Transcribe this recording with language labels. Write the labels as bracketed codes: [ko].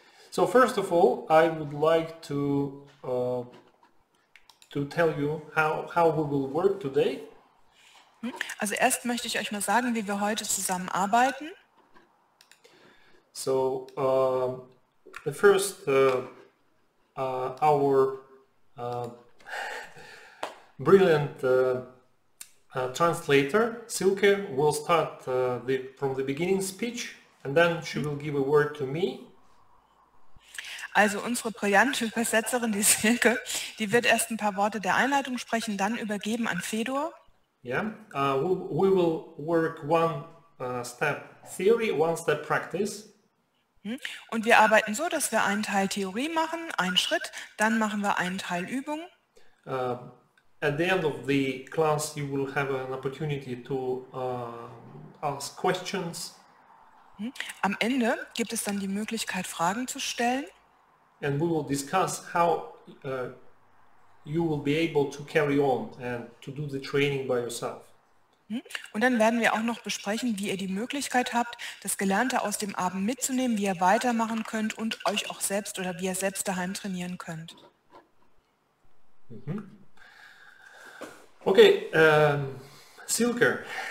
[en] So first of all, I would like to tell you how we will work today. [de] Also, erst möchte ich euch mal sagen, wie wir heute zusammenarbeiten. [en] So the first our brilliant translator Silke will start from the beginning speech, and then she will give a word to me. [de] Also unsere brillante Übersetzerin, die Silke, die wird erst ein paar Worte der Einleitung sprechen, dann übergeben an Fedor. [en] We will work one-step theory, one-step practice. [de] Und wir arbeiten so, dass wir einen Teil Theorie machen, einen Schritt, dann machen wir einen Teil Übung. [en] At the end of the class, you will have an opportunity to ask questions. [de] Am Ende gibt es dann die Möglichkeit, Fragen zu stellen. [en] And we will discuss how you will be able to carry on and to do the training by yourself. [de] Und dann werden wir auch noch besprechen, wie ihr die Möglichkeit habt, das Gelernte aus dem Abend mitzunehmen, wie ihr weitermachen könnt und euch auch selbst oder wie ihr selbst daheim trainieren könnt. [en] Okay, Silke,